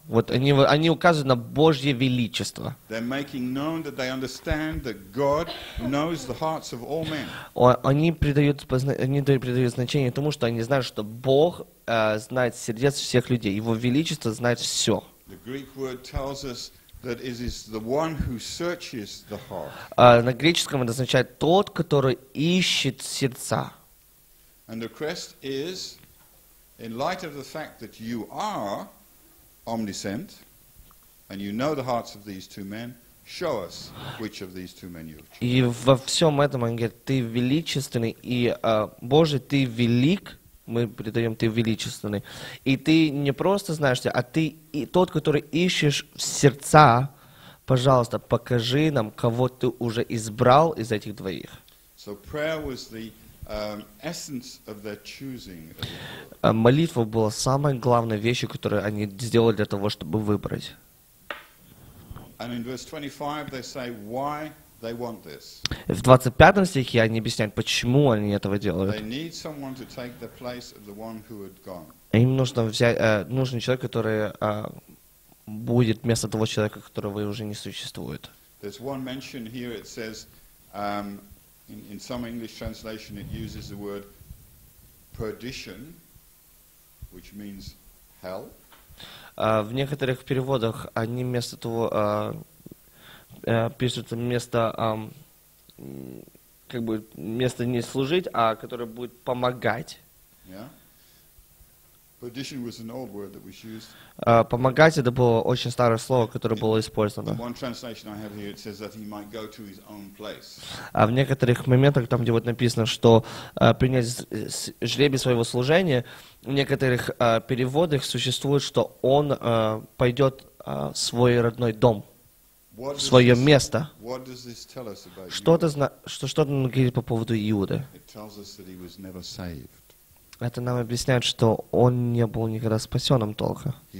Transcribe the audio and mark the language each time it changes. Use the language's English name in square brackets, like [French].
[Russian] Вот они указывают на Божье величество. [English] They're making known that they understand that God knows the hearts of all men. [Russian] Они придают значение тому, что они знают, что Бог знает сердец всех людей. Его величество знает все. [English] The Greek word tells us that it is the one who searches the heart. [Russian] На греческом это означает тот, который ищет сердца. [English] And the request is, in light of the fact that you are omniscient, and you know the hearts of these two men, Show us which of these two men you have chosen. [Russian] И во всем этом он говорит, ты величественный, и Боже, ты велик, мы предаем, ты величественный. И ты не просто знаешь, а ты и тот, который ищешь в сердца, пожалуйста, покажи нам, кого ты уже избрал из этих двоих. [English] So prayer was the essence of their choosing. [Russian] Молитва была самой главной вещью, которую они сделали для того, чтобы выбрать. [English] And in verse 25 they say why they want this. [Russian] В 25 стихе они объясняют, почему они этого делают. [English] They need someone to take the place of the one who had gone. [Russian] Им нужно взять нужен человек, который будет вместо того человека, которого уже не существует. [English] There's one mention here. It says in some English translation it uses the word perdition, which means hell. [Russian] В некоторых переводах они вместо того пишут вместо как бы вместо не служить, а которое будет помогать. [English] Yeah. Perdition was an old word that was used. [Russian] Помогать — это было очень старое слово, которое было использовано. [English] In one translation I have here it says that he might go to his own place. [Russian] А в некоторых моментах там, где вот написано, что принять жребий своего служения, в некоторых переводах существует, что он пойдет в свой родной дом, в свое место. [English] What does this tell us about Judah? [Russian] Что-то нам говорит по поводу Иуды. [English] It tells us that he was never saved. [Russian] Это нам объясняет, что он не был никогда спасенным только.